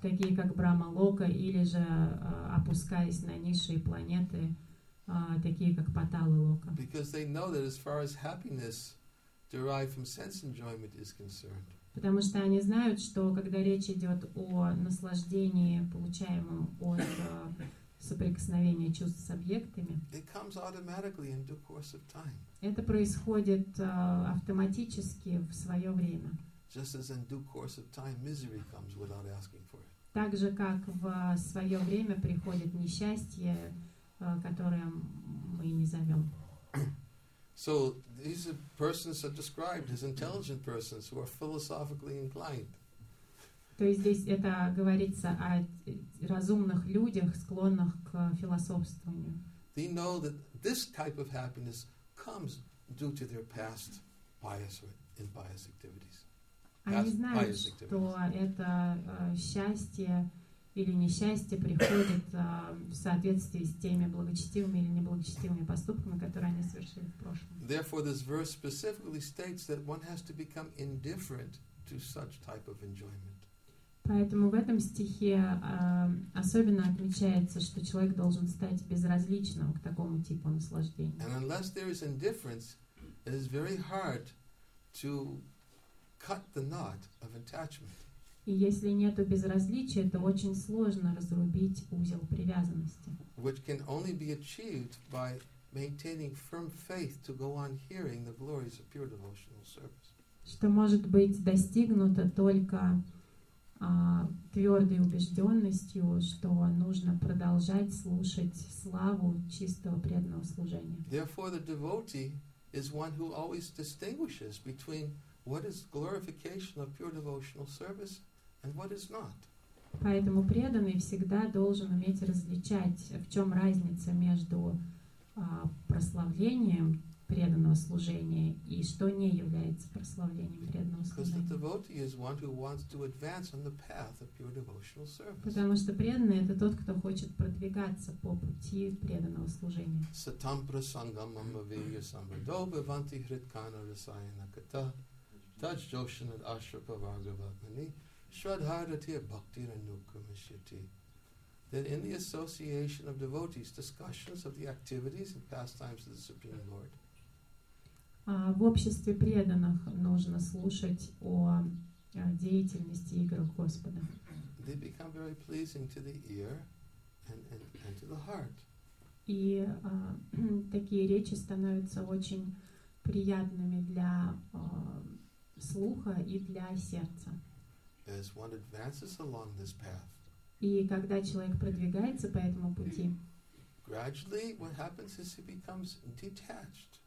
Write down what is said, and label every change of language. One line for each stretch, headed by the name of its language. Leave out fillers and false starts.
Russian: Такие как Брахма-лока, или же опускаясь на низшие планеты, такие как Патала-лока.
English: Because they know that as far as happiness derived from sense enjoyment is concerned.
Russian: Потому что они знают, что когда речь идет о наслаждении, получаемом от соприкосновения чувств с объектами,
English: it comes automatically in due course of time.
Russian: Это происходит автоматически в свое время.
English: Just as in due course of time, misery comes without asking for it.
Russian: Так же, как в свое время приходит несчастье, которое мы не зовем.
English: So these persons are described as intelligent persons who are philosophically inclined.
Russian: То есть здесь это говорится о разумных людях, склонных к философствованию.
English: They know that this type of happiness comes due to their past pious or impious activities.
Russian: Они знают, что это счастье или несчастье приходит в соответствии с теми благочестивыми или неблагочестивыми поступками, которые они совершили в прошлом.
English: Therefore, this verse specifically states that one has to become indifferent to such type of enjoyment.
Russian: Поэтому в этом стихе особенно отмечается, что человек должен стать безразличным к такому типу наслаждения.
English: And unless there is indifference, it is very hard to cut the knot of attachment.
Russian: И если нету безразличия, то очень сложно разрубить узел привязанности.
English: Which can only be achieved by maintaining firm faith to go on hearing the glories of pure devotional service.
Russian: Что может быть достигнуто только твердой убежденностью, что нужно продолжать слушать славу чистого преданного служения.
English: Therefore, the devotee is one who always distinguishes between what is glorification of pure devotional service and what is not.
Russian: Поэтому преданный всегда должен уметь различать, в чем разница между прославлением преданного служения и что не является прославлением преданного служения. Потому что преданный — это тот, кто хочет продвигаться по пути преданного служения.
Sanskrit: Сатам прасангам амавия самбадоба ванти хриткана расайана ката тач джошанат ашрапа варгаватмани шрадхарати бхактир анукрамишьяти.
English: That in the association of devotees, discussions of the activities and pastimes of the Supreme Lord.
Russian: В обществе преданных нужно слушать о деятельности игр Господа.
English: They become very pleasing to the ear and to the heart.
Russian: И такие речи становятся очень приятными для слуха и для сердца.
English: As one advances along this path.
Russian: И когда человек продвигается по этому пути,
English: gradually what happens is he becomes detached.